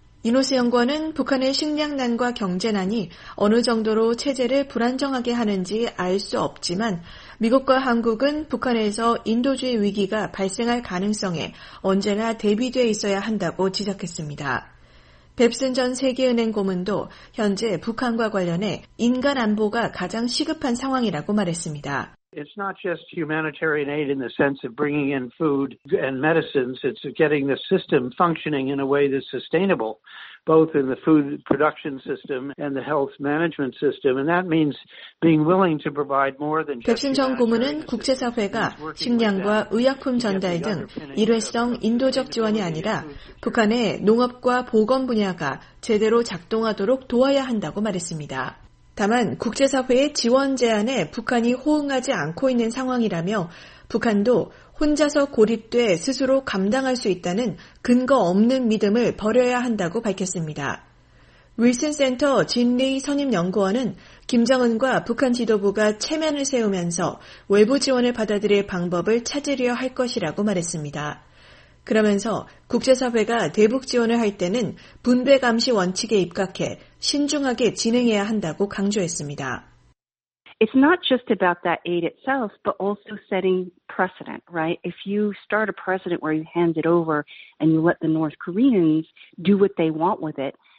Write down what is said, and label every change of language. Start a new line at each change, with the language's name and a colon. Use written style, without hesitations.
Korean: 이노스 연구원은 북한의 식량난과 경제난이 어느 정도로 체제를 불안정하게 하는지 알 수 없지만 미국과 한국은 북한에서 인도주의 위기가 발생할 가능성에 언제나 대비돼 있어야 한다고 지적했습니다. 뱁슨 전 세계은행 고문도 현재 북한과 관련해 인간 안보가 가장 시급한 상황이라고 말했습니다.
English: It's not just humanitarian aid in the sense of bringing in food and medicines. It's getting the system functioning in a way that's sustainable, both in the food production system and the health management system. And that means being willing to provide more than just.
Korean: 뱁슨 전 고문은 국제사회가 식량과 의약품 전달 등 일회성 인도적 지원이 아니라 북한의 농업과 보건 분야가 제대로 작동하도록 도와야 한다고 말했습니다. 다만 국제사회의 지원 제안에 북한이 호응하지 않고 있는 상황이라며 북한도 혼자서 고립돼 스스로 감당할 수 있다는 근거 없는 믿음을 버려야 한다고 밝혔습니다. 윌슨 센터 진리 선임 연구원은 김정은과 북한 지도부가 체면을 세우면서 외부 지원을 받아들일 방법을 찾으려 할 것이라고 말했습니다. 그러면서 국제사회가 대북 지원을 할 때는 분배 감시 원칙에 입각해 신중하게 진행해야 한다고 강조했습니다.
English: It's not just about that aid itself, but also setting precedent, right? If you start a precedent where you hand it over and you let the North Koreans do what they want with it,